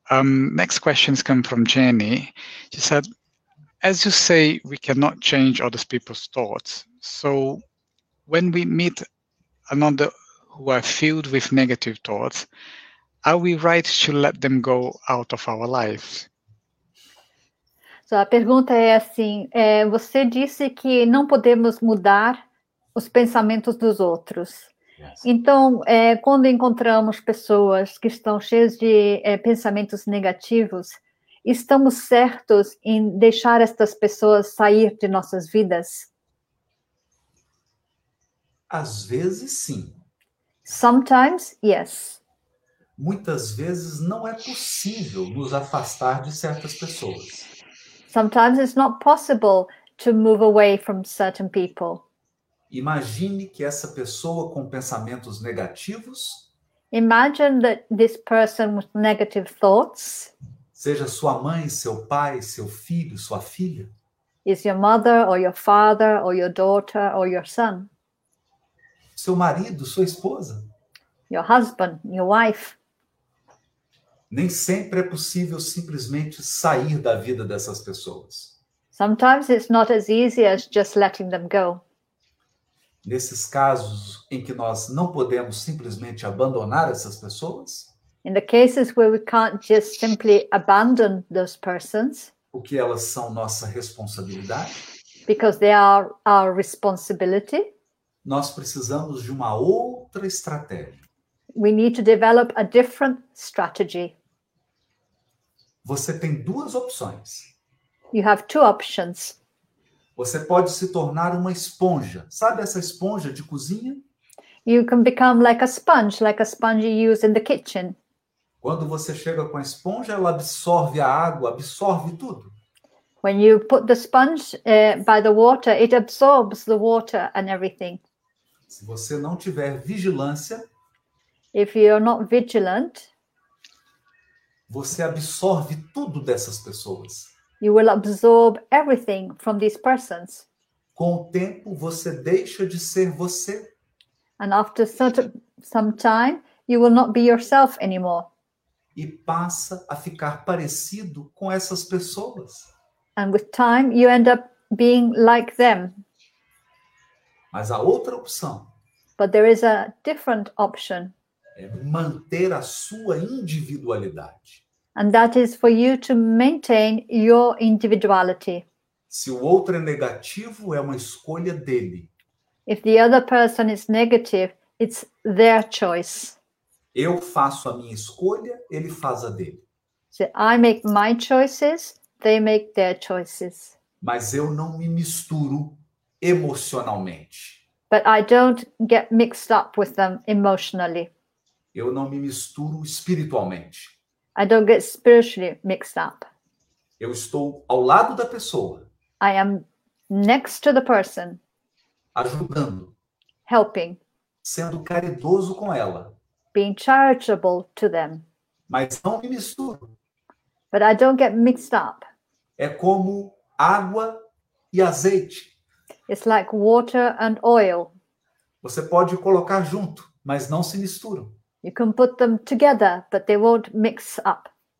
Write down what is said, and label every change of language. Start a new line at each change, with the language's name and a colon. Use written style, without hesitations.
English: Next questions come from Jenny. She said, as you say, we cannot change other people's thoughts. So when we meet another who are filled with negative thoughts, are we right to let them go out of our lives?
Portuguese: So a pergunta é assim, você disse que não podemos mudar os pensamentos dos outros. Então, quando encontramos pessoas que estão cheias de pensamentos negativos, estamos certos em deixar estas pessoas sair de nossas vidas? Às vezes, sim.
English: Sometimes, yes.
Portuguese: Muitas vezes, não é possível nos afastar de certas pessoas.
English: Sometimes, it's not possible to move away from certain people.
Portuguese: Imagine que essa pessoa com pensamentos negativos.
English: Imagine that this person with negative thoughts.
Portuguese: Seja sua mãe, seu pai, seu filho, sua filha.
English: Is your mother or your father or your daughter or your son.
Portuguese: Seu marido, sua esposa.
English: Your husband, your wife.
Portuguese: Nem sempre é possível simplesmente sair da vida dessas pessoas.
English: Sometimes it's not as easy as just letting them go.
Portuguese: Nesses casos em que nós não podemos simplesmente abandonar essas pessoas.
English: In the cases where we can't just simply abandon those persons.
Portuguese: Porque elas são nossa responsabilidade.
English: Because they are our responsibility.
Portuguese: Nós precisamos de uma outra estratégia.
English: We need to develop a different strategy.
Portuguese: Você tem duas opções.
English: You have two options.
Portuguese: Você pode se tornar uma esponja. Sabe essa esponja de cozinha?
English: You can become like a sponge you use in the kitchen.
Portuguese: Quando você chega com a esponja, ela absorve a água, absorve tudo.
English: When you put the sponge by the water, it absorbs the water and everything.
Portuguese: Se você não tiver vigilância,
English: if you're not vigilant,
Portuguese: você absorve tudo dessas pessoas.
English: You will absorb everything from these persons.
Portuguese: Com o tempo, você deixa de ser você.
English: And after some time, you will not be yourself anymore.
Portuguese: E passa a ficar parecido com essas pessoas.
English: And with time, you end up being like them.
Portuguese: Mas a outra opção.
English: But there is a different option.
Portuguese: É manter a sua individualidade.
English: And that is for you to maintain your individuality.
Portuguese: Se o outro é negativo, é uma escolha dele.
English: If the other person is negative, it's their choice.
Portuguese: Eu faço a minha escolha, ele faz a dele.
English: So I make my choices, they make their choices.
Portuguese: Mas eu não me misturo emocionalmente.
English: But I don't get mixed up with them emotionally.
Portuguese: Eu não me misturo espiritualmente.
English: I don't get spiritually mixed up.
Portuguese: Eu estou ao lado da pessoa.
English: I am next to the person.
Portuguese: Ajudando.
English: Helping.
Portuguese: Sendo caridoso com ela.
English: Being charitable to them.
Portuguese: Mas não me misturo.
English: But I don't get mixed up.
Portuguese: É como água e azeite.
English: It's like water and oil.
Portuguese: Você pode colocar junto, mas não se misturam.
English: You can put them together, but they won't mix up.